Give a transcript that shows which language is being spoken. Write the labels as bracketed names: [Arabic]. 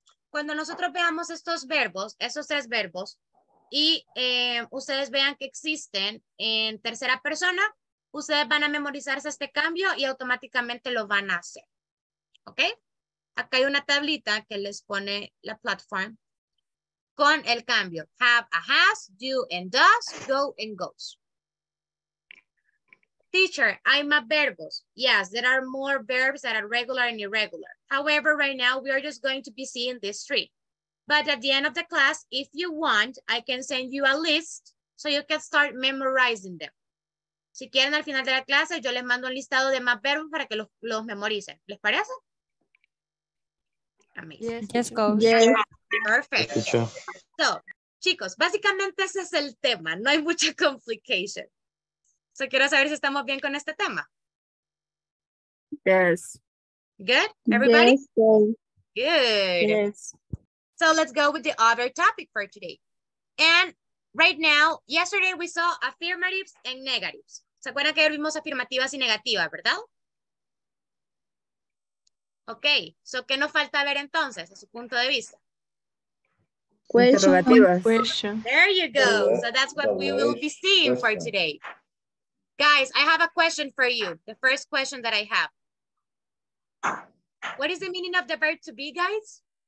[Spanish] Cuando nosotros veamos estos verbos, esos tres verbos, y ustedes vean que existen en tercera persona, ustedes van a memorizarse este cambio y automáticamente lo van a hacer. ¿Ok? Acá hay una tablita que les pone la platform con el cambio. [English] Have a has, do and does, go and goes. Teacher, [Spanish] hay más verbos. [English] Yes, there are more verbs that are regular and irregular. However, right now, we are just going to be seeing these three. But at the end of the class, if you want, I can send you a list so you can start memorizing them. [Spanish] Si quieren, al final de la clase, yo les mando un listado de más verbos para que los memoricen. ¿Les parece? Amazing. [English] let's go. Yes. Perfect. So, [Spanish] chicos, básicamente ese es el tema. No hay mucha complication. So, quiero saber si estamos bien con este tema. [English] Yes. Good, everybody? Yes. Good. Yes. So, let's go with the other topic for today. And right now, yesterday we saw affirmatives and negatives. [Spanish] ¿Se acuerdan que vimos afirmativas y negativas, verdad? Ok. So, ¿qué nos falta ver entonces, a su punto de vista? Interrogativas. [English] There you go. So, that's what we will be seeing for today. Guys, I have a question for you. The first question that I have. What is the meaning of the verb to be, guys?